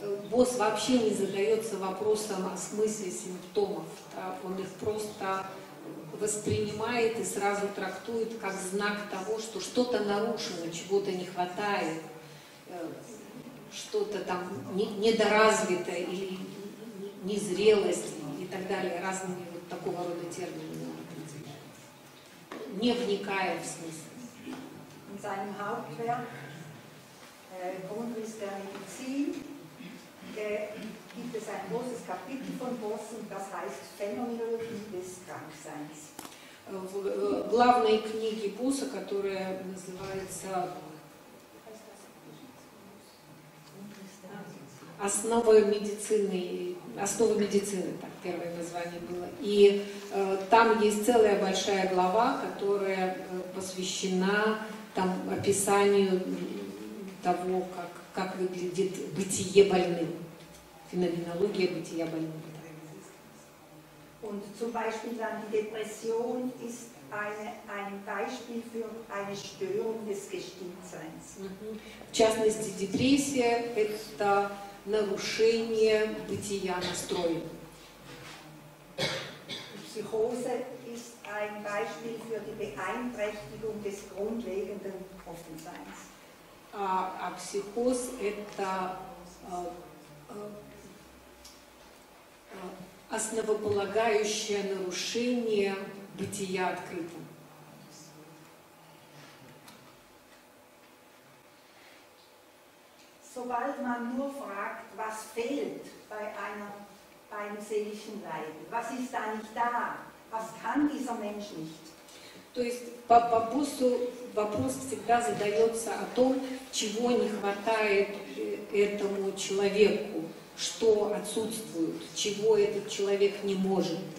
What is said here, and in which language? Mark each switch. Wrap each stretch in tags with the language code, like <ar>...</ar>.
<ru>Босс вообще не задается вопросом о смысле симптомов, да, он их просто воспринимает и сразу трактует как знак того, что что-то нарушено, чего-то не хватает, что-то там недоразвито или незрелость и так далее, разными вот такого рода терминами, не вникая в смысл.</ru> <de>In seinem Hauptwerk Grundriss der Medizin gibt es ein großes Kapitel von Bossen, das heißt Phänomenologie des Krankseins.</de> <ru>В главной книге Босса, которая называется «Основы медицины», так первое название было. И там есть целая большая глава, которая посвящена там, описанию того, как выглядит бытие больным, феноменология бытия больным.</ru> <de>Und zum Beispiel dann die Depression ist ein Beispiel für eine Störung des Gestimmtseins.</de> <ru>В частности, депрессия – это нарушение бытия настроя.</ru> <de>Psychose ist ein Beispiel für die Beeinträchtigung des grundlegenden Offenseins.</de> <ru>А психоз – это основополагающее нарушение бытия открытым.</ru> <de>Sobald man nur fragt, was fehlt bei einem seelischen Leiden, was ist da nicht da, was kann dieser Mensch nicht?</de> <ru>То есть по Боссу вопрос всегда задается о том, чего не хватает этому человеку. Что отсутствует, чего этот человек не может.</ru>